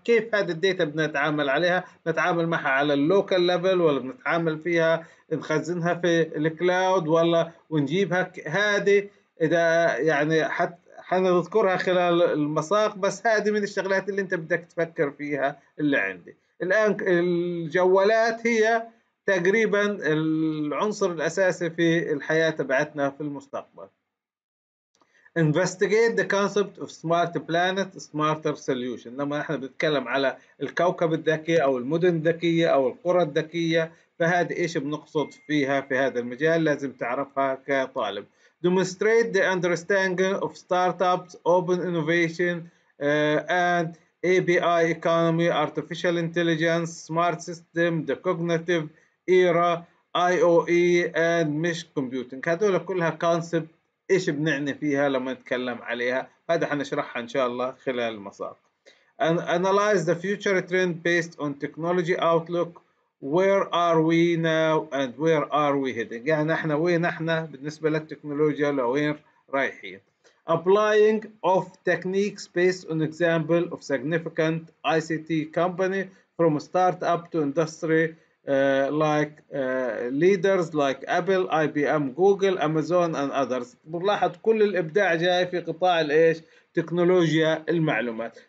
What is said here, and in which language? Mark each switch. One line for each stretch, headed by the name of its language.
Arabic: كيف هذه الداتا بدنا نتعامل عليها؟ نتعامل معها على اللوكال ليفل، ولا بنتعامل فيها نخزنها في الكلاود، ولا ونجيبها؟ هذه اذا يعني حنذكرها خلال المساق، بس هذه من الشغلات اللي انت بدك تفكر فيها. اللي عندي الان الجوالات هي تقريبا العنصر الاساسي في الحياه تبعتنا في المستقبل.
English: Investigate the concept of smart planet, smarter solution.
Arabic: لما احنا بنتكلم على الكوكب الذكي او المدن الذكيه او القرى الذكيه، فهذه ايش بنقصد فيها في هذا المجال؟ لازم تعرفها كطالب.
English: Demonstrate the understanding of startups, open innovation and API economy, artificial intelligence, smart system, the cognitive era, IoE and mesh computing.
Arabic: هذول كلها concept ايش بنعني فيها لما نتكلم عليها. هذا حنشرحها ان شاء الله خلال المساق.
English: And analyze the future trend based on technology outlook. Where are we now and where are we heading?
Arabic: يعني احنا وين احنا بالنسبة للتكنولوجيا، لوين رايحين.
English: Applying of techniques based on example of significant ICT company from startup to industry like leaders like Apple, IBM, Google, Amazon and others.
Arabic: بنلاحظ كل الإبداع جاي في قطاع الايش؟ تكنولوجيا المعلومات.